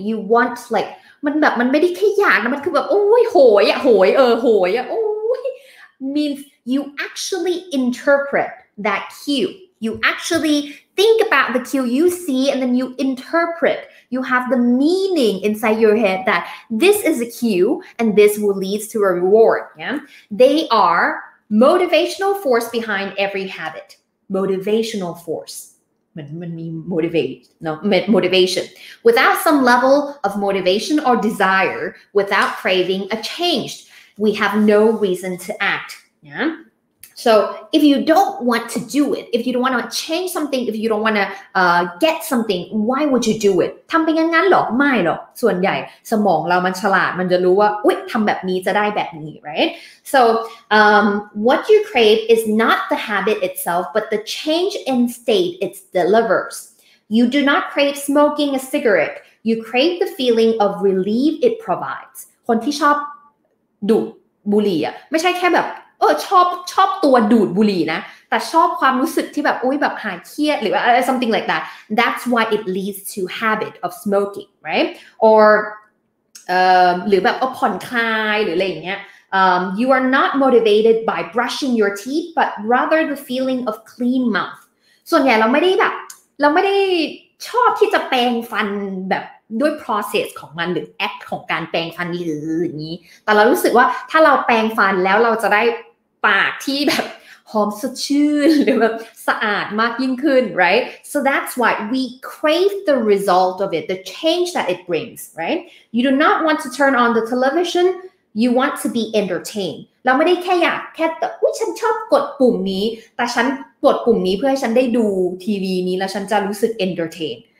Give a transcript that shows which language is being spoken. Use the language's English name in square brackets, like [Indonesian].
[Thai] You want like มันแบบมันไม่ได้แค่อยากนะมันคือแบบโอ้ยโหยอ่ะโหยเออโหยอ่ะโอ้ย [English] means you actually interpret that cue. You actually think about the cue you see and then you interpret. You have the meaning inside your head that this is a cue and this will lead to a reward. Yeah, they are motivational force behind every habit. Motivational force. Motivation. Without some level of motivation or desire, without craving a change, we have no reason to act. Yeah. So if you don't want to do it, if you don't want to change something, if you don't want to get something, why would you do it? [Thai] ทำไปงั้นๆหรอไม่หรอกส่วนใหญ่สมองเรามันฉลาดมันจะรู้ว่าอุ๊ยทำแบบนี้จะได้แบบนี้ right? [English] So what you crave is not the habit itself, but the change in state it delivers. You do not crave smoking a cigarette. You crave the feeling of relief it provides. [Thai] คนที่ชอบดูดบุหรี่อ่ะไม่ใช่แค่แบบเออชอบตัวดูดบุหรี่นะแต่ชอบความรู้สึกที่แบบอุ๊ยแบบหายเครียดหรือว่า [English] something like that that's why it leads to habit of smoking right or [Thai] หรือแบบผ่อนคลายหรืออะไรอย่างเงี้ย [English] you are not motivated by brushing your teeth but rather the feeling of clean mouth [Thai] ส่วนใหญ่เราไม่ได้ ชอบที่จะแปรงฟันแบบด้วย process ของมันหรือ act ของการแปรงฟันหรืออย่างนี้แต่เรารู้สึกว่าถ้าเราแปรงฟันแล้วเราจะได้ปากที่แบบหอมสดชื่นหรือแบบสะอาดมากยิ่งขึ้น right [English] so that's why we crave the result of it the change that it brings right you do not want to turn on the television you want to be entertained [Thai] เราไม่ได้แค่อยากแค่แบบอุ๊ยฉันชอบกดปุ่มนี้แต่ฉันกดปุ่มนี้เพื่อให้ฉันได้ดูทีวีนี้แล้วฉันจะรู้สึก entertained